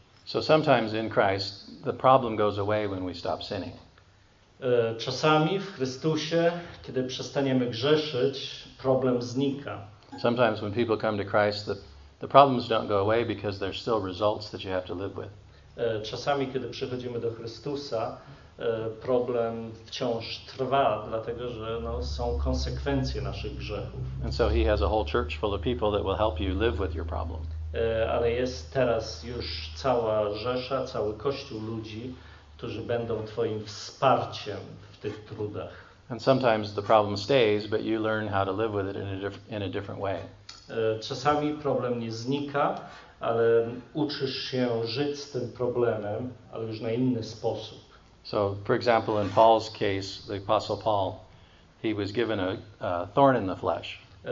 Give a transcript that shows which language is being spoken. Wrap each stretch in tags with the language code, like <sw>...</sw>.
<en>So sometimes in Christ the problem goes away when we stop sinning.</en> <pl>Czasami w Chrystusie, kiedy przestaniemy grzeszyć, problem znika.</pl> <en>Sometimes when people come to Christ, the problems don't go away because there's still results that you have to live with.</en> <pl>Czasami, kiedy przychodzimy do Chrystusa, problem wciąż trwa, dlatego że no, są konsekwencje naszych grzechów.</pl> <en>And so he has a whole church full of people that will help you live with your problem.</en> <pl>Ale jest teraz już cała rzesza, cały kościół ludzi, którzy będą twoim wsparciem w tych trudach.</pl> <en>And sometimes the problem stays, but you learn how to live with it in a different way.</en> <pl>Czasami problem nie znika, ale uczysz się żyć z tym problemem, ale już na inny sposób.</pl> <en>So, for example, in Paul's case, the Apostle Paul, he was given a thorn in the flesh.</en>